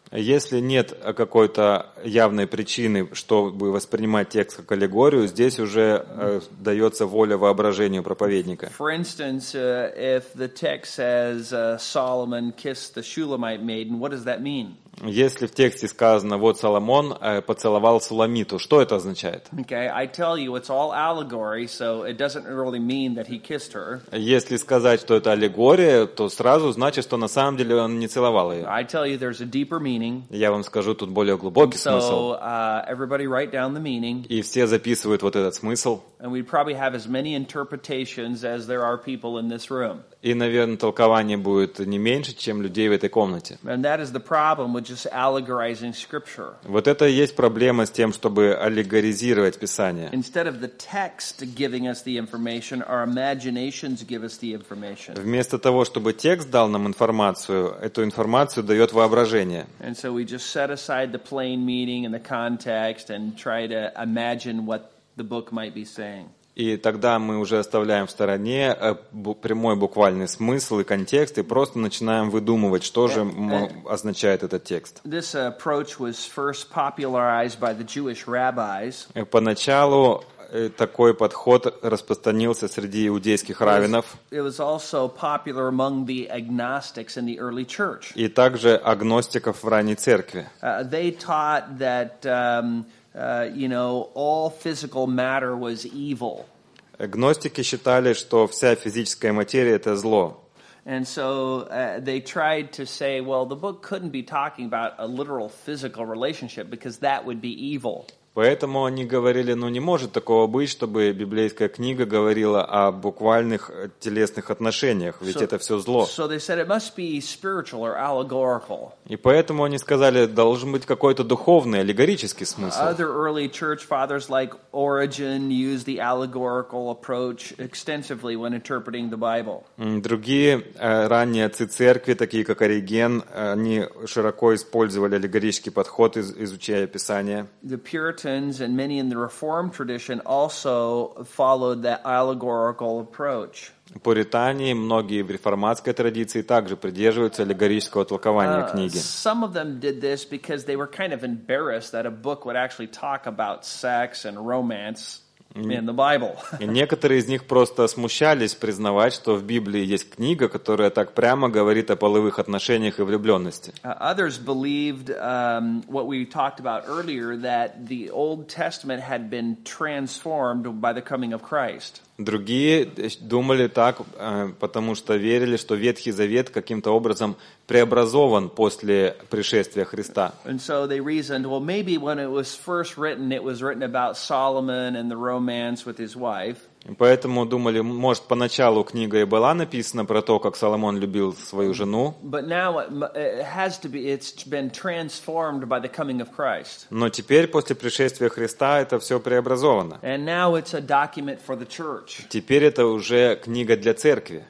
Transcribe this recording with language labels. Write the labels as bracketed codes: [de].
[ru] Если нет какой-то явной причины, чтобы воспринимать текст как аллегорию, здесь уже дается воля воображению проповедника. [en] For instance, if the text says Solomon kissed the Shulamite maiden, what does that mean? [ru] Если в тексте сказано, вот Соломон поцеловал Суламиту, что это означает? [en] Okay, I tell you, it's all allegory, so it doesn't really mean that he kissed her. [ru] Если сказать, что это аллегория, то сразу значит, что на самом деле он не целовал ее. [en] I tell you, there's a deeper meaning. [ru] Я вам скажу, тут более глубокий смысл. [en] So, everybody write down the meaning. [ru] И все записывают вот этот смысл. [en] And we'd probably have as many interpretations as there are people in this room. [ru] И, наверное, толкование будет не меньше, чем людей в этой комнате. [en] And that is the problem with just allegorizing scripture. [ru] Вот это и есть проблема с тем, чтобы аллегоризировать Писание. [en] Instead of the text giving us the information, our imaginations give us the information. [ru] Вместо того, чтобы текст дал нам информацию, эту информацию дает воображение. [en] And so we just set aside the plain meaning and the context and try to imagine what the book might be saying. [ru] И тогда мы уже оставляем в стороне прямой буквальный смысл и контекст и просто начинаем выдумывать, что же означает этот текст. [en] This approach was first popularized by the Jewish rabbis. [ru] Поначалу такой подход распространился среди иудейских раввинов. [en] It was also popular among the agnostics in the early church. [ru] И также агностиков в ранней церкви. [en] They taught that all physical matter was evil. [ru] Гностики считали, что вся физическая материя это зло. [en] And so they tried to say, well, the book couldn't be talking about a literal physical relationship because that would be evil. [ru] Поэтому они говорили, ну не может такого быть, чтобы библейская книга говорила о буквальных телесных отношениях, ведь это все зло. [en] So they said it must be spiritual or allegorical. [ru] И поэтому они сказали, должен быть какой-то духовный, аллегорический смысл. [en] Other early church fathers like Origen used the allegorical approach extensively when interpreting the Bible. [ru] Другие ранние отцы церкви, такие как Ориген, они широко использовали аллегорический подход, изучая Писание. [en] Puritans and many in the Reformed tradition also followed that allegorical approach. [ru] Пуритане и многие в реформатской традиции также придерживаются аллегорического толкования книги. [en] Some of them did this because they were kind of embarrassed that a book would actually talk about sex and romance in the Bible. [ru] Некоторые из них просто смущались признавать, что в Библии есть книга, которая так прямо говорит о половых отношениях и влюбленности. [en] Others believed what we talked about earlier, that the Old Testament had been transformed by the coming of Christ. [ru] Другие думали так, потому что верили, что Ветхий Завет каким-то образом преобразован после пришествия Христа. [en] And so they reasoned, well, maybe when it was written about Solomon and the romance with his wife. [ru] Поэтому думали, может, поначалу книга и была написана про то, как Соломон любил свою жену. [en] But now it's been transformed by the coming of Christ. [ru] Но теперь, после пришествия Христа, это все преобразовано. [en] And now it's a document for the church. [ru] Теперь это уже книга для церкви.